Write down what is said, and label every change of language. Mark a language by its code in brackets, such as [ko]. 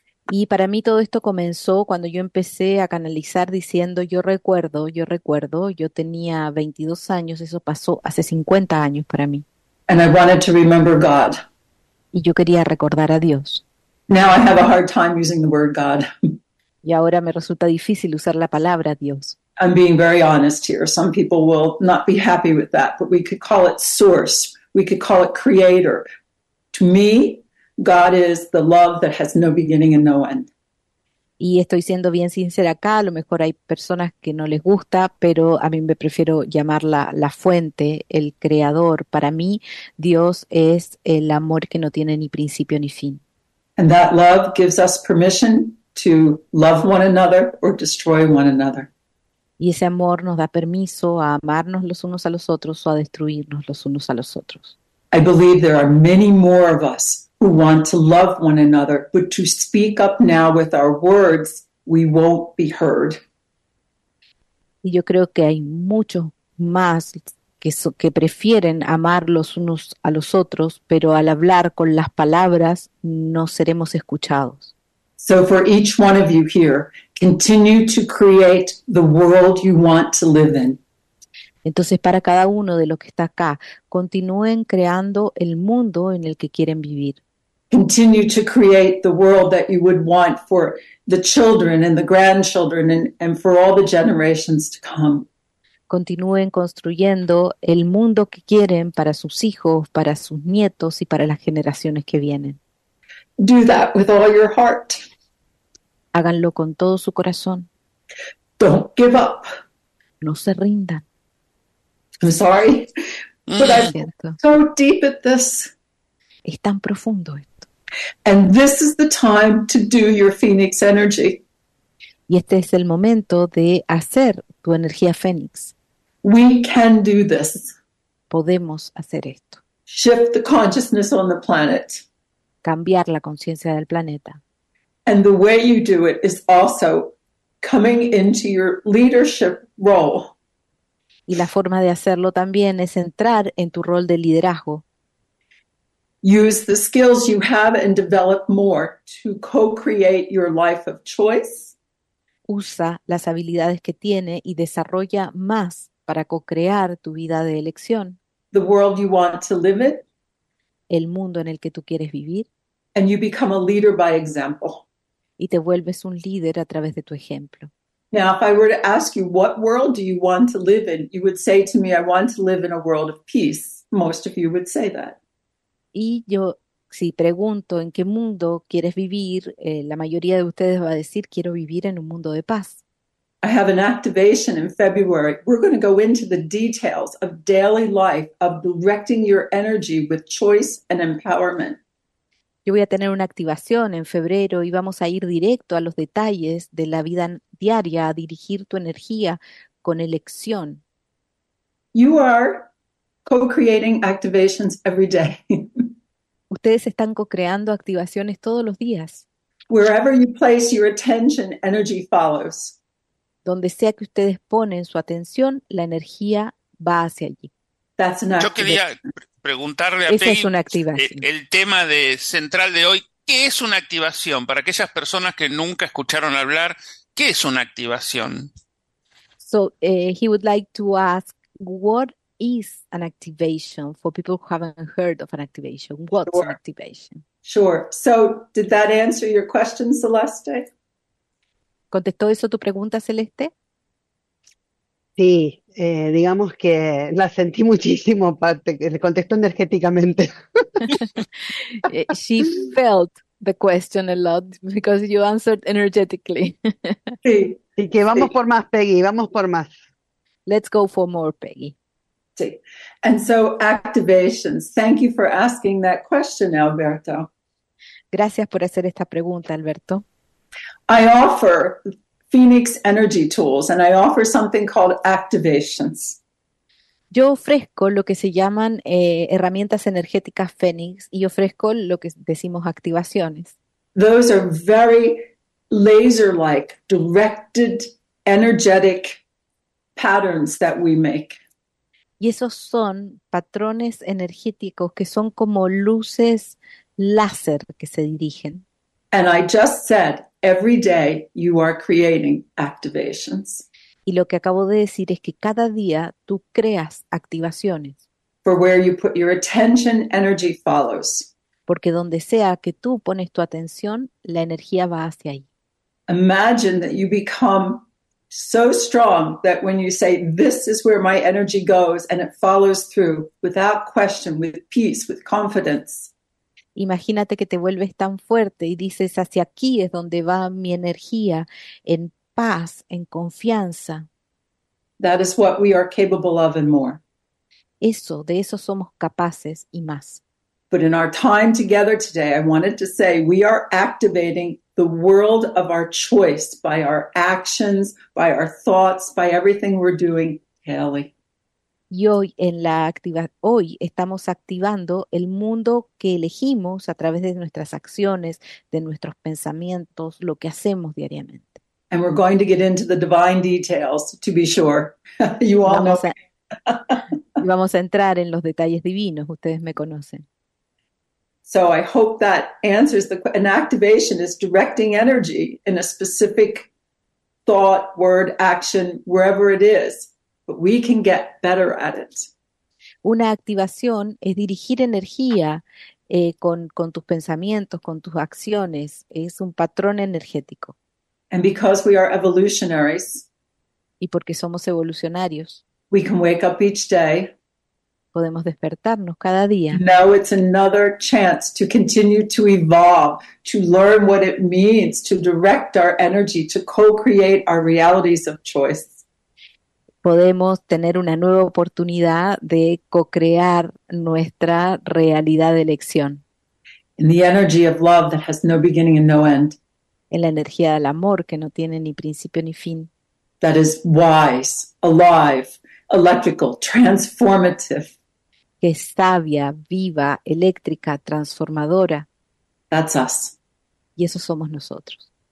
[es] Y para mí todo esto comenzó cuando yo empecé a canalizar diciendo, yo recuerdo, yo tenía 22 años, eso pasó hace 50 años para mí. [en] And I wanted to remember God. [es] Y yo quería recordar a Dios. [en] Now I have a hard time using the word God. [es] Y ahora me resulta difícil usar la palabra Dios. [en] I'm being very honest here. Some people will not be happy with that, but we could call it source. We could call it creator. To me, God is the love that has no beginning and no end. [es] Y estoy siendo bien sincera acá, a lo mejor hay personas que no les gusta, pero a mí me prefiero llamarla la fuente, el creador. Para mí, Dios es el amor que no tiene ni principio ni fin. [en] And that love gives us permission to love one another or destroy one another. [es] Y ese amor nos da permiso a amarnos los unos a los otros o a destruirnos los unos a los otros. [en] I believe there are many more of us who want to love one another, but to speak up now with our words, we won't be heard. [es] Y yo creo que hay muchos más que prefieren amar los unos a los otros, pero al hablar con las palabras, no seremos escuchados. [en] So for each one of you here, continue to create the world you want to live in. [es] Entonces, para cada uno de los que está acá, continúen creando el mundo en el que quieren vivir. [en] Continue to create the world that you would want for the children and the grandchildren and for all the generations to come. [es] Continúen construyendo el mundo que quieren para sus hijos, para sus nietos y para las generaciones que vienen. [en] Do that with all your heart. [es] Háganlo con todo su corazón. [en] Don't give up. [es] No se rindan. [en] I'm sorry, but I'm so deep at this. [es] Es tan profundo esto. [en] And this is the time to do your Phoenix energy. [es] Y este es el momento de hacer tu energía Fénix. [en] We can do this. [es] Podemos hacer esto. [en] Shift the consciousness on the planet. [es] Cambiar la conciencia del planeta. [en] And the way you do it is also coming into your leadership role. [es] Y la forma de hacerlo también es entrar en tu rol de liderazgo. [en] Use the skills you have and develop more to co-create your life of choice. [es] Usa las habilidades que tiene y desarrolla más para co-crear tu vida de elección. [en] The world you want to live in. [es] El mundo en el que tú quieres vivir. [en] And you become a leader by example. [es] Y te vuelves un líder a través de tu ejemplo. [en] Now, if I were to ask you, what world do you want to live in? You would say to me, I want to live in a world of peace. Most of you would say that. [es] Y yo, si pregunto en qué mundo quieres vivir, la mayoría de ustedes va a decir, quiero vivir en un mundo de paz. [en] I have an activation in February. We're going to go into the details of daily life, of directing your energy with choice and empowerment. [es] Yo voy a tener una activación en febrero y vamos a ir directo a los detalles de la vida diaria, a dirigir tu energía con elección. [en] You are co-creating activations every day. [es] Ustedes están co-creando activaciones todos los días. [en] Wherever you place your attention, energy follows. [es] Donde sea que ustedes ponen su atención, la energía va hacia allí. [en] That's an activation. [es] Yo quería preguntarle a Penny, es una activación. El tema de central de hoy, ¿qué es una activación? Para aquellas personas que nunca escucharon hablar, ¿qué es una activación? [en] So, he would like to ask, what is an activation for people who haven't heard of an activation? What's sure. An activation? Sure. So, did that answer your question, Celeste? [es] ¿Contestó eso tu pregunta, Celeste? Sí, digamos que la sentí muchísimo, aparte, le contesto energéticamente. [en] She felt the question a lot because you answered energetically. [es] Sí, y que vamos sí. Por más, Peggy, vamos por más. [en] Let's go for more, Peggy. Sí, and so activations. Thank you for asking that question, Alberto. [es] Gracias por hacer esta pregunta, Alberto. [en] I offer Phoenix energy tools, and I offer something called activations. [es] Yo ofrezco lo que se llaman herramientas energéticas Fénix y ofrezco lo que decimos activaciones. [en] Those are very laser-like, directed, energetic patterns that we make. [es] Y esos son patrones energéticos que son como luces láser que se dirigen. [en] And I just said, every day you are creating activations. [es] Y lo que acabo de decir es que cada día tú creas activaciones. [en] For where you put your attention, energy follows. [es] Porque donde sea que tú pones tu atención, la energía va hacia ahí. [en] Imagine that you become so strong that when you say, this is where my energy goes, and it follows through without question, with peace, with confidence. [es] Imagínate que te vuelves tan fuerte y dices, hacia aquí es donde va mi energía, en paz, en confianza. [en] That is what we are capable of and more. [es] Eso, de eso somos capaces y más. [en] But in our time together today, I wanted to say we are activating the world of our choice by our actions, by our thoughts, by everything we're doing, Haley. [es] Y hoy, hoy estamos activando el mundo que elegimos a través de nuestras acciones, de nuestros pensamientos, lo que hacemos diariamente. [en] And we're going to get into the divine details, to be sure. You all know. [es] Vamos a entrar en los detalles divinos, ustedes me conocen. [en] So I hope that answers the question. An activation is directing energy in a specific thought, word, action, wherever it is. But we can get better at it. [es] Una activación es dirigir energía con tus pensamientos, con tus acciones. Es un patrón energético. [en] And because we are evolutionaries, [es] y porque somos evolucionarios, [en] we can wake up each day. [es] Podemos despertarnos cada día. [en] Now it's another chance to continue to evolve, to learn what it means to direct our energy, to co-create our realities of choice. [es] Podemos tener una nueva oportunidad de co-crear nuestra realidad de elección. [en] In the energy of love that has no beginning and no end. [es] En la energía del amor que no tiene ni principio ni fin. [en] That is wise, alive, electrical, transformative. [es] Que es sabia, viva, eléctrica, transformadora. [en] That's us. [es] Y eso somos nosotros.